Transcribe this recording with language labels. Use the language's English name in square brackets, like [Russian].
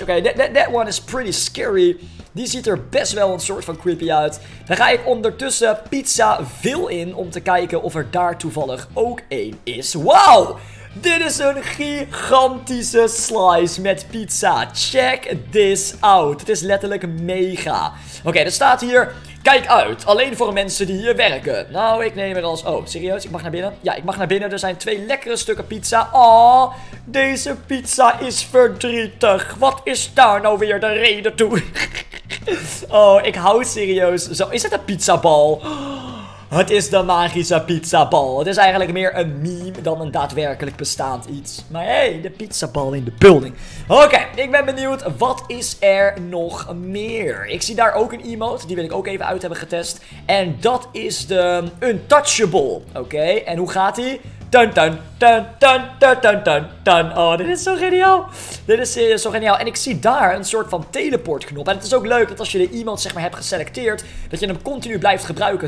[English] Oké, that one is pretty scary. [Dutch] Die ziet er best wel een soort van creepy uit. Dan ga ik ondertussen Pizzaville in om te kijken of er daar toevallig ook één is. Wauw! Dit is een gigantische slice met pizza. [English] Check this out. [Dutch] Het is letterlijk mega. Oké, er staat hier... Kijk uit, alleen voor mensen die hier werken. Nou, ik neem er als... Oh, serieus? Ik mag naar binnen? Ja, ik mag naar binnen. Er zijn 2 lekkere stukken pizza. Oh, deze pizza is verdrietig. Wat is daar nou weer de reden toe? Oh, ik hou serieus. Zo, is het een pizzabal? Het is de magische pizzabal. Het is eigenlijk meer een meme dan een daadwerkelijk bestaand iets. Maar hey, de pizzabal in de building. Oké, ik ben benieuwd. Wat is er nog meer? Ik zie daar ook een emote. Die wil ik ook even uit hebben getest. En dat is de untouchable. Oké, en hoe gaat die? Tun, tun, tun, tun, tun, tun, tun, tun. Oh, dit is zo geniaal. Dit is zo geniaal. En ik zie daar een soort van teleportknop. En het is ook leuk dat als je de iemand zeg maar hebt geselecteerd, dat je hem continu blijft gebruiken.